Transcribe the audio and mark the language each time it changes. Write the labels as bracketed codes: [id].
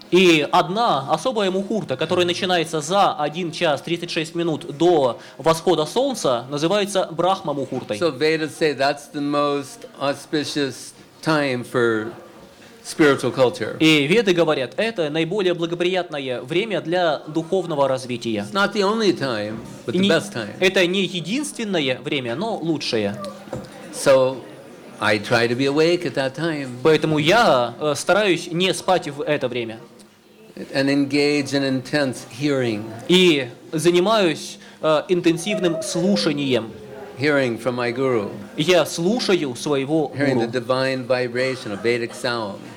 [ru] И одна особая мухурта, которая начинается за 1 час 36 минут до восхода солнца, называется Брахма Мухуртой. [en] So Vedas say that's the most auspicious time for spiritual culture. [ru] И Веды говорят, это наиболее благоприятное время для духовного развития. [en] It's not the only time, but the best time. [ru] Это не единственное время, но лучшее. [en] So I try to be awake at that time. [ru] Поэтому я стараюсь не спать в это время. [en] And engage in intense hearing. [ru] И занимаюсь интенсивным слушанием. [en] Hearing from my guru. [ru] Я слушаю своего [en] guru. Hearing the divine vibration of Vedic sound.